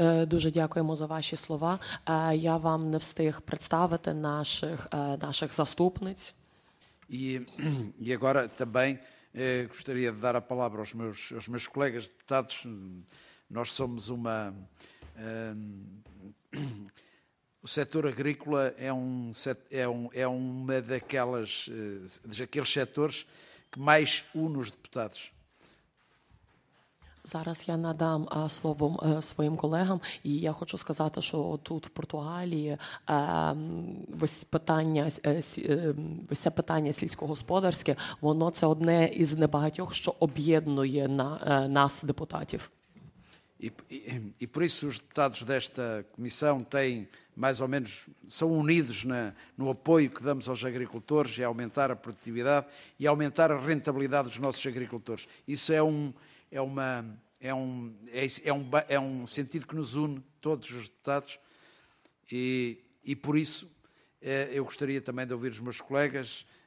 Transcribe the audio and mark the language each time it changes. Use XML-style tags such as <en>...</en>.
<uk>Дуже дякуємо за ваші слова. Я вам не встиг представити наших заступниць.</uk> <pt>І agora também gostaria de dar a palavra aos meus colegas deputados. Nós somos uma o setor agrícola é uma daqueles setores que mais une os deputados.</pt> <uk>Зараз я надам слово своїм колегам, і я хочу сказати, що тут в Португалії ось це питання сільськогосподарське, воно це одне із небагатьох, що об'єднує нас депутатів.</uk> <pt>І por isso os deputados desta comissão têm mais ou menos são unidos no apoio que damos aos agricultores e aumentar a produtividade e aumentar a rentabilidade dos nossos agricultores. Isso é um sentido que nos une todos os deputados e por isso eu gostaria também de ouvir os meus colegas.</pt>